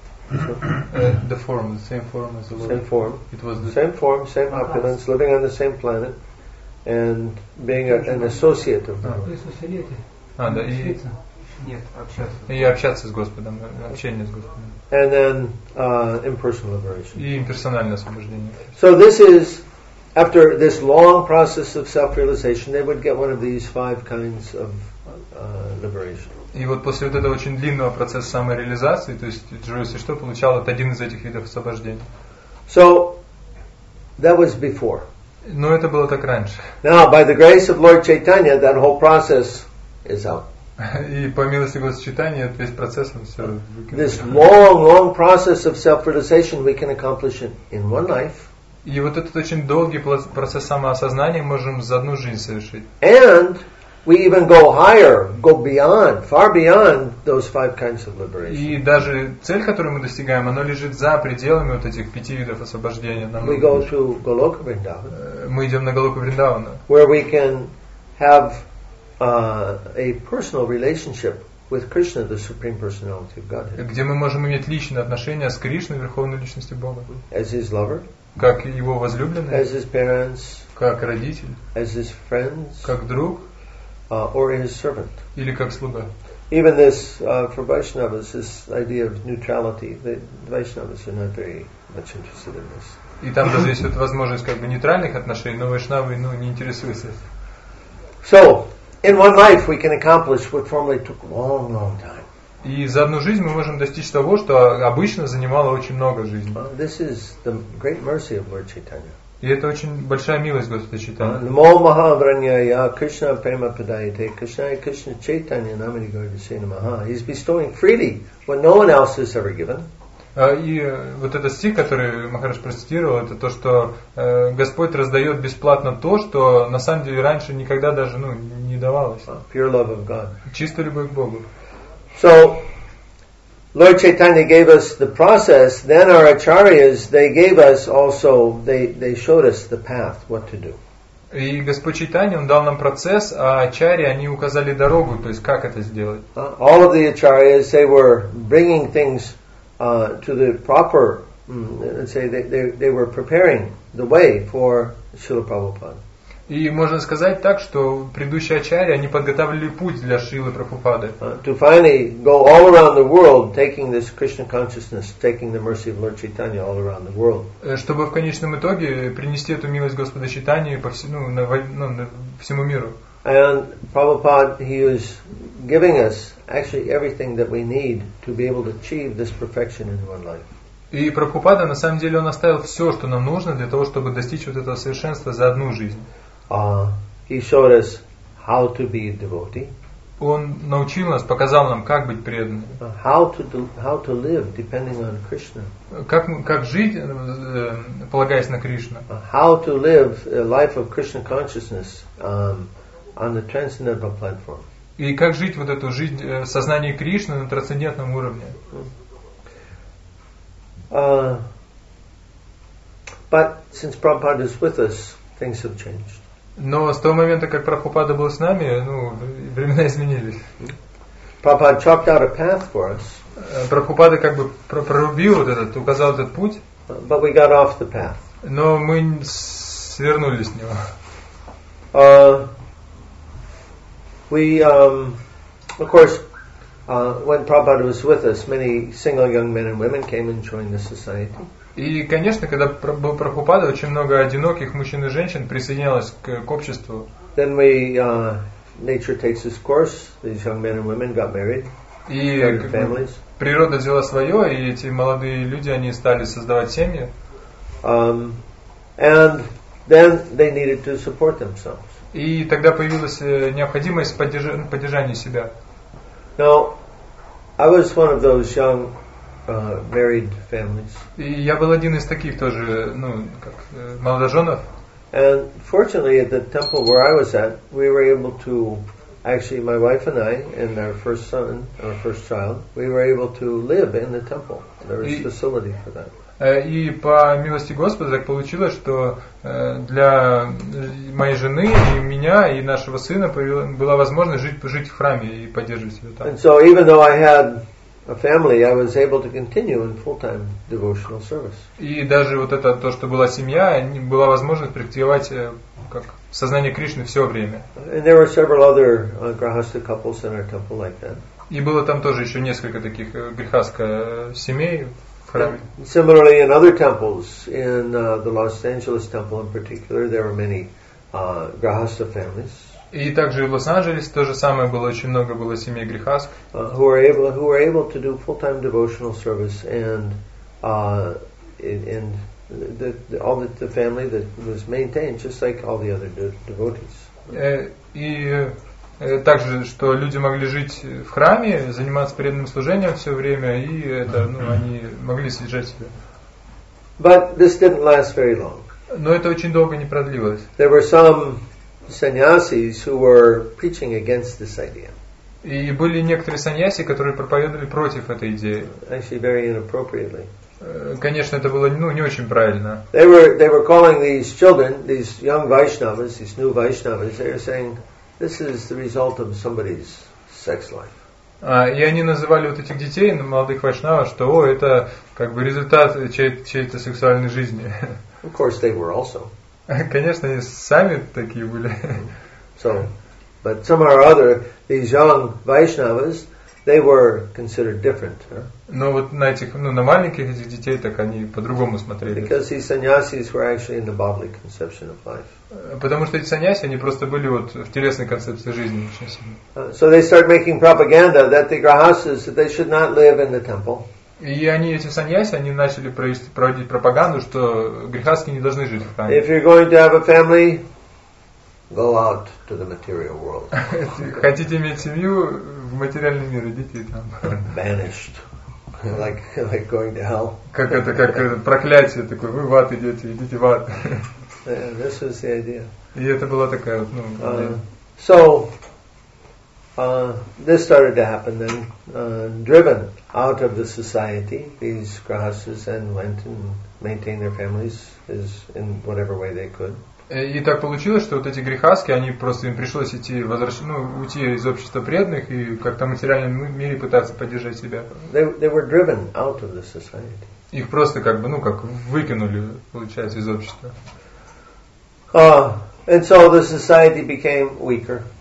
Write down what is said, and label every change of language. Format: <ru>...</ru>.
<en>The form, the same form as the Lord. Same form. It was the same form, same opulence, living on the same planet, and being an associate of the Lord.</en> <ru>Нет, общаться с Господом, общение с Господом.</ru> <en>And then impersonal liberation.</en> <ru>И имперсональное освобождение.</ru> <en>So this is after this long process of self-realization, they would get one of these five kinds of liberation.</en> <ru>И вот после вот этого очень длинного процесса самореализации, то есть джуйси что получал от один из этих видов освобождения.</ru> <en>So that was before.</en> <ru>Но это было так раньше.</ru> <en>Now by the grace of Lord Chaitanya, that whole process is out.</en> <ru>И по милости Господа Читания, весь процесс он все выкинул.</ru> <en>This long, long process of self-realization we can accomplish it in one life.</en> <ru>И вот этот очень долгий процесс самоосознания можем за одну жизнь совершить.</ru> <en>And We even go higher, go beyond, far beyond those five kinds of liberation.</en> <ru>И даже цель, которую мы достигаем, она лежит за пределами вот этих пяти видов освобождения.</ru> <en>We go to Goloka Vrindavan.</en> <ru>Мы идем на Голоку Вриндавана.</ru> <en>Where we can have a personal relationship with Krishna, the Supreme Personality of Godhead.</en> <ru>Где мы можем иметь личные отношения с Кришной, Верховной Личностью Бога.</ru> <en>As his lover.</en> <ru>Как его возлюбленный.</ru> <en>As his parents.</en> <ru>Как родитель.</ru> <en>As his friends.</en> <ru>Как друг.</ru> <en>Or his servant.</en> <ru>Или как слуга.</ru> <en>Even this, for Vaishnavas, this idea of neutrality, the Vaishnavas are not very much interested in this.</en> <ru>И там даже есть вот возможность как бы нейтральных отношений, но Вайшнавы, ну, не интересуются.</ru> <en>So, in one life we can accomplish what formerly took long, long time.</en> <ru>И за одну жизнь мы можем достичь того, что обычно занимало очень много жизни.</ru> <en>This is the great mercy of Lord Chaitanya.</en> <ru>И это очень большая милость Господа Читания.</ru> <sa>Намо Махавраньяя, Кришна Према Падайте, Кришна и Кришна Чайтанья, Намини Гаудисейна Маха.</sa> <en>He's bestowing freely what no one else has ever given.</en> <ru>И вот этот стих, который Махарадж процитировал, это то, что Господь раздает бесплатно то, что на самом деле раньше никогда даже ну, не давалось.</ru> <en>Pure love of God.</en> <ru>Чистая любовь к Богу.</ru> <en>So, Lord Chaitanya gave us the process, then our acharyas, they gave us also, they showed us the path, what to do.</en> <ru>И Господь Чайтанья, Он дал нам процесс, а ачарьи, они указали дорогу, то есть как это сделать.</ru> <en>All of the acharyas, they were bringing things to the proper, let's say, they were preparing the way for Srila Prabhupada.</en> <ru>И можно сказать так, что предыдущие ачарьи, они подготавливали путь для Шрилы Прабхупады.</ru> <en>To finally go all around the world, taking this Krishna consciousness, taking the mercy of Lord Chaitanya all around the world.</en> <ru>Чтобы в конечном итоге принести эту милость Господа Чайтаньи по всему, всему миру.</ru> <en>And Prabhupada, he is giving us actually everything that we need to be able to achieve this perfection in one life.</en> <ru>И Прабхупада, на самом деле, он оставил все, что нам нужно для того, чтобы достичь вот этого совершенства за одну жизнь.</ru> <en>He showed us how to be a devotee.</en> <ru>Он научил нас, показал нам, как быть преданным.</ru> <en>How to live depending on Krishna.</en> <ru>Как жить, полагаясь на Кришну.</ru> <en>How to live a life of Krishna consciousness on the transcendental platform.</en> <ru>И как жить вот эту жизнь в сознании Кришны на трансцендентном уровне.</ru> <en>But since Prabhupada is with us, things have changed.</en> <ru>Но с того момента, как Прабхупада был с нами, ну, времена изменились.</ru> <en>Prabhupada chalked out a path for us.</en> <ru>Прабхупада как бы прорубил вот этот, указал этот путь.</ru> <en>But we got off the path.</en> <ru>Но мы свернули с него.</ru> <en>Of course, when Prabhupada was with us, many single young men and women came and joined the society.</en> <ru>И, конечно, когда был Прабхупада, очень много одиноких мужчин и женщин присоединялось к обществу.</ru> <en>Then we, nature takes its course. These young men and women got married.</en> <ru>И</ru> <en>started families.</en> <ru>Природа взяла свое, и эти молодые люди, они стали создавать семьи.</ru> <en>And then they needed to support themselves.</en> <ru>И тогда появилась необходимость поддержания себя.</ru> <en>Now, I was one of those young married families.</en> <ru>И я был один из таких тоже, ну, как молодоженов.</ru> <en>And fortunately, at the temple where I was at, we were able to, actually, my wife and I and our first son, our first child, we were able to live in the temple. There was facility for that.</en> <ru>И по милости Господа так получилось, что для моей жены и меня и нашего сына была возможность жить в храме и поддерживать себя там.</ru> <en>And so, even though I had a family, I was able to continue in full-time devotional service.</en> <ru>И даже вот это то, что была семья, была возможность практиковать как сознание Кришны все время.</ru> <en>And there were several other grihastha couples in our temple like that.</en> <ru>И было там тоже еще несколько таких грихастха семей в храме.</ru> <en>Similarly, in other temples, in the Los Angeles temple in particular, there were many grihastha families.</en> <ru>И также в Лос-Анджелесе то же самое было, очень много было семей грихаск.</ru> <en>Who were able to do full-time devotional service and all the family that was maintained, just like all the other devotees.</en> <ru>И также, что люди могли жить в храме, заниматься преданным служением все время, и это, ну, они могли содержать себя.</ru> <en>But this didn't last very long.</en> <ru>Но это очень долго не продлилось.</ru> <en>There were some sannyasis who were preaching against this idea.</en> <ru>И были некоторые саньяси, которые проповедовали против этой идеи.</ru> <en>Actually, very inappropriately.</en> <ru>Конечно, это было не очень правильно.</ru> <en>They were calling these children, these young Vaishnavas, these new Vaishnavas, they were saying, this is the result of somebody's sex life.</en> <ru>И они называли вот этих детей, молодых вайшнава, что, о, это как бы результат чьей-то сексуальной жизни.</ru> <en>Of course, they were also.</en> <ru>Конечно, они сами такие были.</ru> <en>So, but somehow or other, these young Vaishnavas, they were considered different.</en> <ru>Но вот на этих, ну, на маленьких этих детей так они по-другому смотрели.</ru> <en>Because these sannyasis were actually in the bodily conception of life.</en> <ru>Потому что эти саньяси, они просто были вот в телесной концепции жизни.</ru> <en>So they start making propaganda that the grahasas, that they should not live in the temple.</en> <ru>И они, эти саньяси, они начали проводить пропаганду, что грехаски не должны жить в храме.</ru> <en>If you're going to have a family, go out to the material world.</en> <ru>Хотите иметь семью, в материальный мир идите там.</ru> <en>Banished. Like going to hell.</en> <ru>Как это, как проклятие такое, вы в ад идете, идите в ад.</ru> <en>Yeah, this was the idea.</en> <ru>И это была такая вот, ну,</ru> <en>So, this started to happen then, driven out of the society, these grahasas, and went and maintained their families as in whatever way they could.</en> <ru>И так получилось, что вот эти грехаски, они просто им пришлось идти, ну, уйти из общества преданных и как-то в материальном мире пытаться поддержать себя.</ru> <en>They were driven out of the society.</en> <ru>Их просто как бы, ну, как выкинули, получается, из общества.</ru> <en>And so the society became weaker.</en>